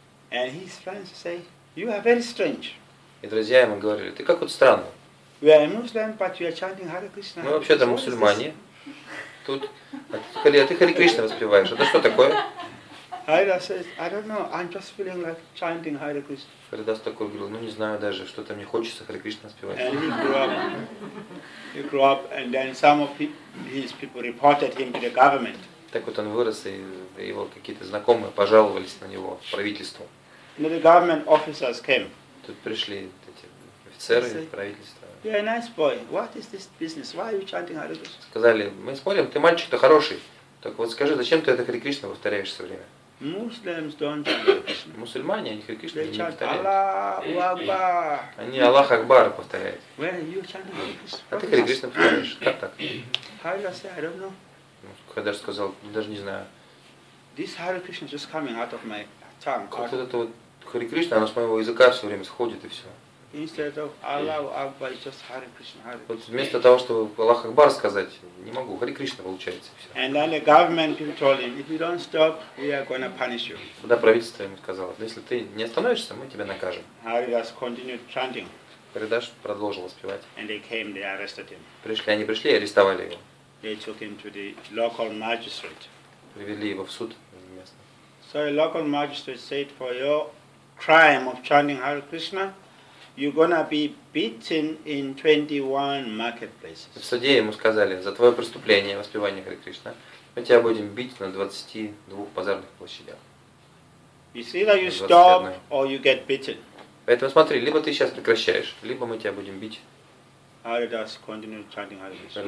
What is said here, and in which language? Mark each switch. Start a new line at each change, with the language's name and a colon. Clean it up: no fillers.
English: And his friends say, "You are very strange."
Russian: И друзья ему говорили: "Ты как вот странно."
English: We are Muslim, but you are chanting Hare Krishna.
Russian: Мы вообще-то мусульмане. Тут, а ты Hare Krishna воспеваешь? Это что такое?
English: Haridas says, "I don't know. I'm just feeling like chanting Hare Krishna."
Russian: Haridas такой говорил: "Ну не знаю даже, что-то мне хочется Hare Krishna спевать."
English: And he grew up, and then some of his people reported him to the government.
Russian: Так вот он вырос, и его какие-то знакомые пожаловались на него правительству.
English: And the government officers came.
Russian: Тут пришли эти офицеры правительства.
English: You're a nice boy. What is this business? Why are you chanting Hare Krishna?
Russian: Сказали: "Мы смотрим, ты мальчик-то хороший. Так вот скажи, зачем ты это Hare Krishna повторяешь все время?"
English: Muslims don't chant Hare Krishna.
Russian: Мусульмане, они Hare Krishna не повторяют.
English: They chant Аллаху Акбар.
Russian: Они Аллах Акбар повторяют.
English: When you chant Hare Krishna.
Russian: А ты Hare Krishna повторяешь. Как так?
English: Haridas said, "I don't know."
Russian: Haridas сказал, даже не знаю.
English: This Hare Krishna just coming out of my tongue.
Russian: Вот это вот Hare Krishna, оно с моего языка все время сходит и все.
English: Instead of Allahu Akbar, it's just Hare Krishna, Hare Krishna.
Russian: Вот вместо того, чтобы Аллах Акбар сказать, не могу, Hare Krishna получается, все.
English: And then the government told him, if you don't stop, we are going to punish you.
Russian: Тогда правительство ему сказало, если ты не остановишься, мы тебя накажем.
English: Haridas continued chanting.
Russian: Haridas продолжил воспевать.
English: And they came, they arrested him.
Russian: Пришли, арестовали его.
English: They took him to the local magistrate.
Russian: Привели его в суд местный.
English: So the local magistrate said, for your crime of chanting Hare Krishna, you're gonna be beaten in 21 marketplaces.
Russian: В суде ему сказали: "За твое преступление, воспевание Харе Кришна, мы тебя будем бить на 22 базарных площадях."
English: You see that you stop or you get beaten.
Russian: Поэтому смотри, либо ты сейчас прекращаешь, либо мы тебя будем бить.
English: Haridas continued chanting Hare Krishna.